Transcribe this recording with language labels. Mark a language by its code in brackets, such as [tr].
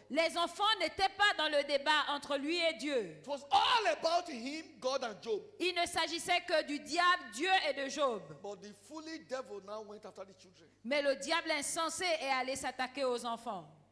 [fr] Les enfants n'étaient pas dans le débat entre lui et Dieu. [en] It was all about him, God and Job. [fr] Il ne s'agissait que du diable, Dieu et de Job. [en] But the foolish devil now went after the children. [fr] Mais le diable insensé est allé s'attaquer aux enfants.